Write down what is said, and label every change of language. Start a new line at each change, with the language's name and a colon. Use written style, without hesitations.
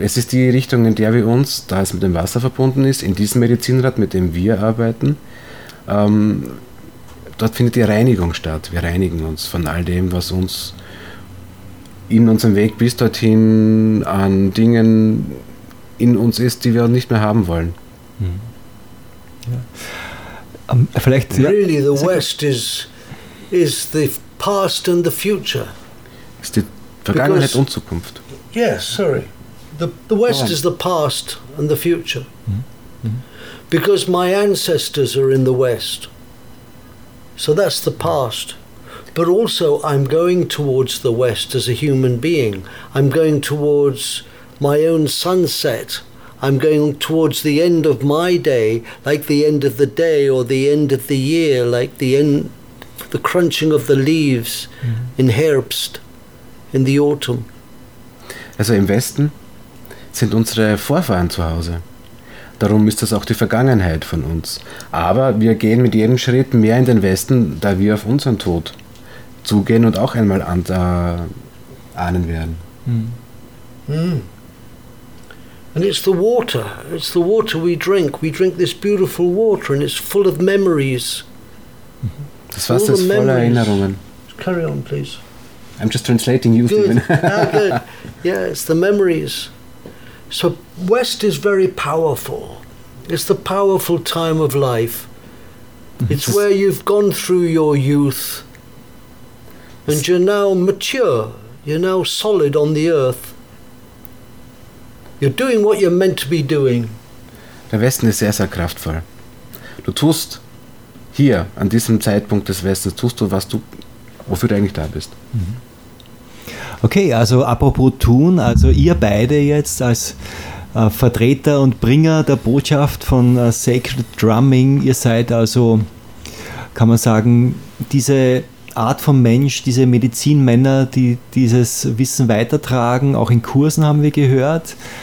German: Es ist die Richtung, in der wir uns, da es mit dem Wasser verbunden ist, in diesem Medizinrad, mit dem wir arbeiten, dort findet die Reinigung statt. Wir reinigen uns von all dem, was uns in unserem Weg bis dorthin an Dingen in uns ist, die wir nicht mehr haben wollen. Mhm. Ja. Vielleicht, ja.
English: Really, the West is the past and the future.
German: Ist die Vergangenheit und Zukunft.
English: Yes, sorry. The West is the past and the future. Mhm. Because my ancestors are in the West. So that's the past. But also I'm going towards the West as a human being. I'm going towards my own sunset. I'm going towards the end of my day, like the end of the day or the end of the year, like the end, the crunching of the leaves in Herbst, in the autumn.
German: Also im Westen sind unsere Vorfahren zu Hause. Darum ist das auch die Vergangenheit von uns. Aber wir gehen mit jedem Schritt mehr in den Westen, da wir auf unseren Tod zugehen und auch einmal ahnen werden.
English: And it's the water. It's the water we drink. We drink this beautiful water and it's full of memories.
German: Das Wasser ist voller Erinnerungen.
English: Carry on, please. I'm just translating you. Good. Yeah, it's the memories. So West is very powerful. It's the powerful time of life. It's where you've gone through your youth. And you're now mature, you're now solid on the earth. You're doing what you're meant to be doing.
German: Der Westen ist sehr, sehr kraftvoll. Du tust hier, an diesem Zeitpunkt des Westens, tust du, was du, wofür du eigentlich da bist. Okay, also apropos tun, also ihr beide jetzt als Vertreter und Bringer der Botschaft von Sacred Drumming, ihr seid also, kann man sagen, diese Art von Mensch, diese Medizinmänner, die dieses Wissen weitertragen, auch in Kursen haben wir gehört.